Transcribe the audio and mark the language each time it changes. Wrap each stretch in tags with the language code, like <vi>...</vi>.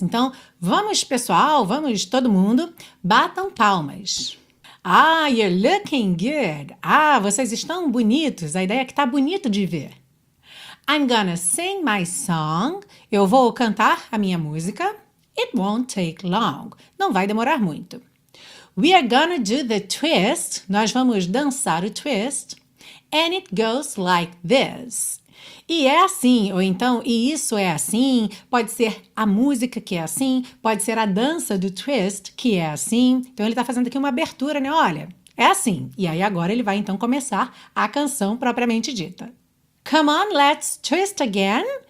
<pt>Então, vamos, pessoal, vamos, todo mundo, batam palmas.</pt> <en>Ah, you're looking good.</en> <pt>Ah, vocês estão bonitos. A ideia é que tá bonito de ver.</pt> <en>I'm gonna sing my song.</en> <pt>Eu vou cantar a minha música.</pt> <en>It won't take long.</en> <pt>Não vai demorar muito.</pt> <en>We are gonna do the twist.</en> <pt>Nós vamos dançar o twist.</pt> <en>And it goes like this.</en> <pt>E é assim, ou então, e isso é assim. Pode ser a música que é assim. Pode ser a dança do twist que é assim. Então, ele está fazendo aqui uma abertura, né? Olha, é assim. E aí, agora, ele vai então começar a canção propriamente dita.</pt> <en>Come on, let's twist again.</en>